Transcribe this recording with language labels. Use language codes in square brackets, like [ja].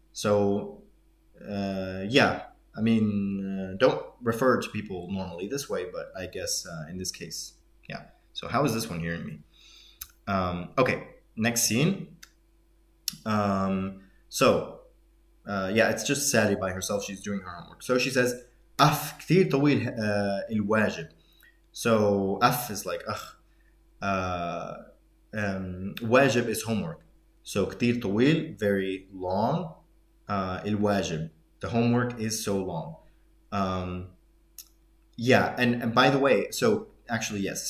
[en] So yeah, I mean, don't refer to people normally this way, but I guess in this case, yeah. So how is this one hearing me? Okay, next scene. So it's just Sally by herself. She's doing her homework. So she says, [ar] أف كثير طويل الواجب. [en] So أف is like, أخ. واجب is homework. So [ar] كثير طويل, [en] very long, الواجب. The homework is so long. And by the way, so actually, yes.